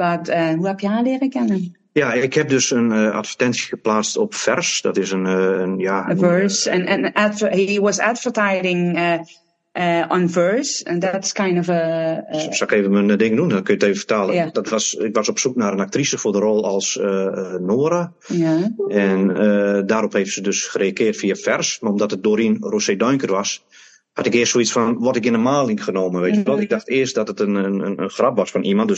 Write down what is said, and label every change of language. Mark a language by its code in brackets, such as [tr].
[nl] But hoe heb je haar leren kennen? Ja, ik heb dus een advertentie geplaatst op Vers. Dat is een ja. Vers. [en] He was advertising on Vers, and that's kind of a. [nl] Zal ik even mijn ding doen? Dan kun je het even vertalen. Yeah. Dat was, ik was op zoek naar een actrice voor de rol als Nora. Ja. Yeah. En daarop heeft ze dus gereageerd via Vers, maar omdat het Doreen Rosé Duinker was. Had ik eerst zoiets van, word ik in de maling genomen, weet je wel. Ik dacht eerst dat het een grap was van iemand.